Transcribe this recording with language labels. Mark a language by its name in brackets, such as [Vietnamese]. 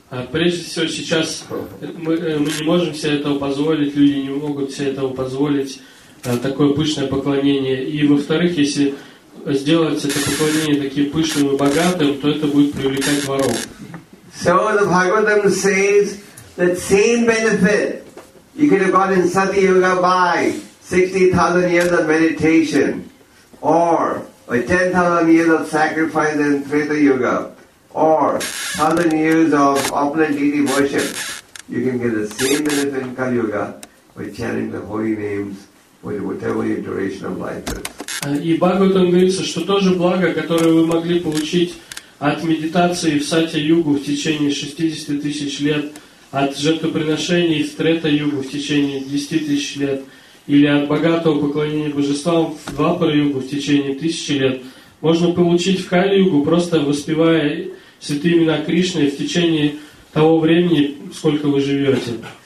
[Russian] Прежде всего, сейчас мы не можем себе этого позволить, люди не могут себе этого позволить, такое пышное поклонение. И, во-вторых, если сделать это поклонение таким пышным и богатым, то это будет привлекать воров. [English] So the Bhagavatam says that same benefit you could have got in Sati Yuga by 60,000 years of meditation or 10,000 years of sacrifice in Treta Yuga. Or 1,000 years of opulent deity worship, you can get the same benefit in Kali Yuga by chanting the holy names with whatever your duration of life is. [Russian] И Бхагаватам говорится, что то же благо, которое вы могли получить от медитации в Сати Югу в течение 60,000 лет, от жертвоприношений в Трета Югу в течение 10,000 лет, или от богатого поклонения божествам в Двапара Югу в течение 1,000 лет, можно получить в Кали Югу просто воспевая святые имена Кришны в течение того времени, сколько вы живете.